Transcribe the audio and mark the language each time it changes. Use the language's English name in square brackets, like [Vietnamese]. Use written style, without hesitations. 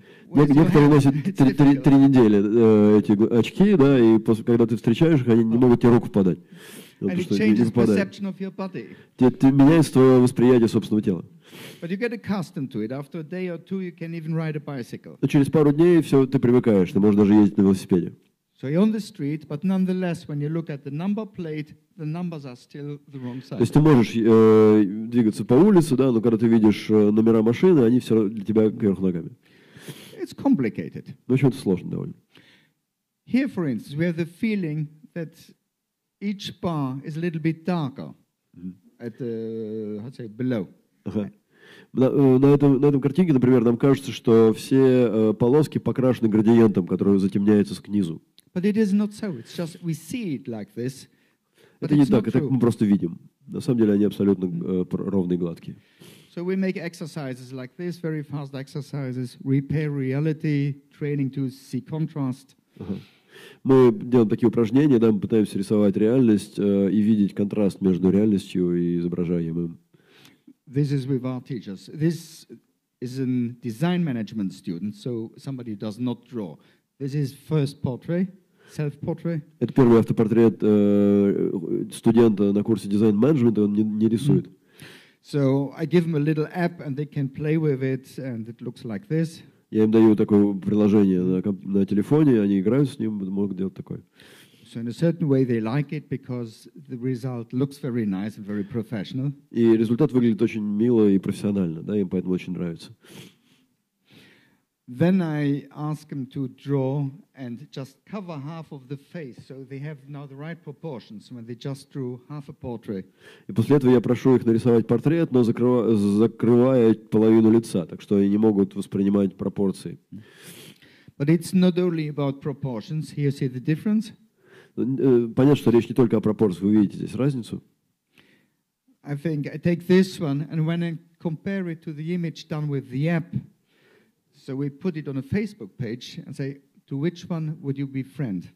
[Russian] Некоторые носят три недели эти очки, да, и когда ты встречаешь их, они не могут тебе руку подать. [English] And it changes perception of your body. [Russian] Ты меняешь твое восприятие собственного тела. [English] But you get accustomed to it. After a day or two, you can even ride a bicycle. [Russian] Через пару дней все ты привыкаешь, ты можешь даже ездить на велосипеде. [English] So you're on the street, but nonetheless, when you look at the number plate, the numbers are still the wrong side. [Russian] То есть ты можешь двигаться по улице, да, но когда ты видишь номера машины, они все для тебя кверху ногами. [English] It's complicated. [Russian] Ну, в общем-то, сложно довольно. [English] Here, for instance, we have the feeling that each bar is a little bit darker at below. [Russian] На этом картинке, например, нам кажется, что все полоски покрашены градиентом, который затемняется снизу. [English] But it is not so. It's just we see it like this. [Russian] Это не так, это мы просто видим. На самом деле они абсолютно ровные и гладкие. [English] So we make exercises like this, very fast exercises, repair reality, training to see contrast. [Russian] Мы делаем такие упражнения, да, мы пытаемся рисовать реальность и видеть контраст между реальностью и изображаемым. [English] This is with our teachers. This is a design management student, so somebody does not draw. This is first portrait, self-portrait. [Russian] Это первый автопортрет студента на курсе дизайн-менеджмента, он не рисует. [English] So I give them a little app and they can play with it and it looks like this. [Russian] Я им даю такое приложение на телефоне, они играют с ним, могут делать такое. [English] So in a certain way they like it because the result looks very nice and very professional. [Russian] И результат выглядит очень мило и профессионально, да, им поэтому очень нравится. [English] Then I ask them to draw and just cover half of the face, so they have now the right proportions when they just drew half a portrait. [Russian] И после этого я прошу их нарисовать портрет, но закрывая половину лица, так что они не могут воспринимать пропорции. [English] But it's not only about proportions. Here you see the difference. [Russian] Понятно, что речь не только о пропорциях. Вы видите здесь разницу? [English] I think I take this one and when I compare it to the image done with the app. So we put it on a Facebook page and say, to which one would you befriend?